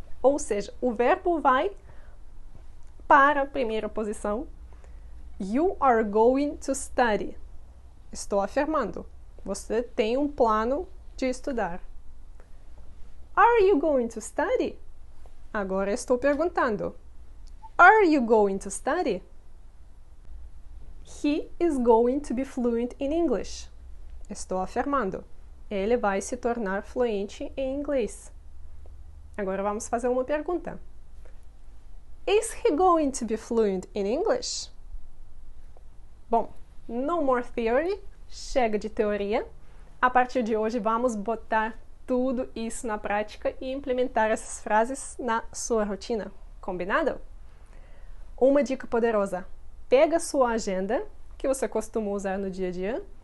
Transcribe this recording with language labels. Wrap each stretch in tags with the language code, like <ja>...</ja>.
<pt>Ou seja, o verbo vai para a primeira posição.</pt> <en>You are going to study.</en> <pt>Estou afirmando. Você tem um plano de estudar.</pt> <en>Are you going to study?</en> <pt>Agora estou perguntando.</pt> <en>Are you going to study? He is going to be fluent in English.</en> <pt>Estou afirmando. Ele vai se tornar fluente em inglês. Agora vamos fazer uma pergunta.</pt> <en>Is he going to be fluent in English?</en> <pt>Bom,</pt> <en>no more theory,</en> <pt>chega de teoria. A partir de hoje, vamos botar tudo isso na prática e implementar essas frases na sua rotina. Combinado? Uma dica poderosa. Pega sua agenda, que você costuma usar no dia a dia.</pt>